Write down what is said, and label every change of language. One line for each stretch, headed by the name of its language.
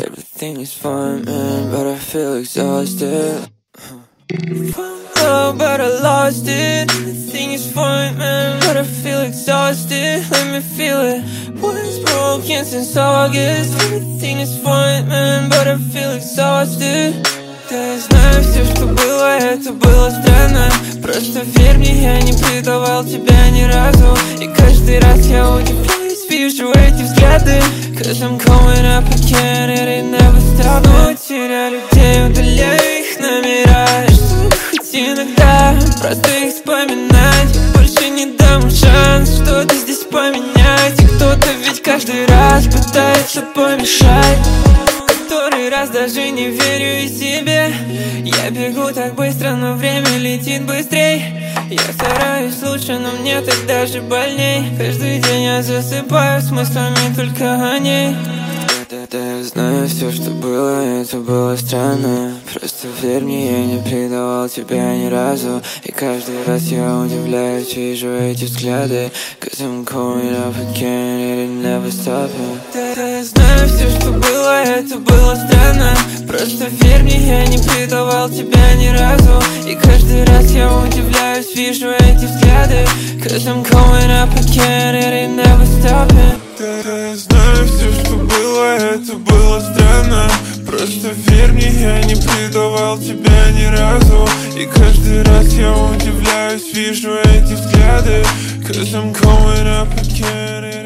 English: Everything is fine, man, but I feel exhausted. Found love, but I lost it. Everything is fine, man, but I feel exhausted. Let me feel it. Was broken since August. Everything is fine, man, but I feel exhausted.
Russian: Знаю все, что было, это было странно. Просто верь мне, я не предавал тебя ни разу. И каждый раз я удивляюсь, вижу эти взгляды.
English: Cause I'm going up again, it ain't never stopping.
Russian: Но теряю людей, удаляю их номера. Чтобы хоть иногда просто их вспоминать. Больше не дам шанс что-то здесь поменять. И кто-то ведь каждый раз пытается помешать. Который раз даже не верю и себе. Я бегу так быстро, но время летит быстрей. Я стараюсь лучше, но мне так даже больней. Каждый день я засыпаю с мыслями только о ней. Да, я знаю все, что было, это было странно. Просто верь мне, я не предавал тебя ни разу. И каждый раз я удивляюсь, вижу эти взгляды.
English: Cause I'm going up again, it ain't never stopping.
Russian: Да, я знаю все, что было, это было странно. Просто верь мне, я не предавал тебя ни разу. И каждый раз я удивляюсь, вижу эти взгляды.
English: Cause I'm going up again, it ain't never stopping.
Russian: Да, я знаю все, что было, это было странно. Просто верь мне, я не предавал тебя ни разу. И каждый раз я удивляюсь, вижу эти взгляды.
English: Cause I'm going up again.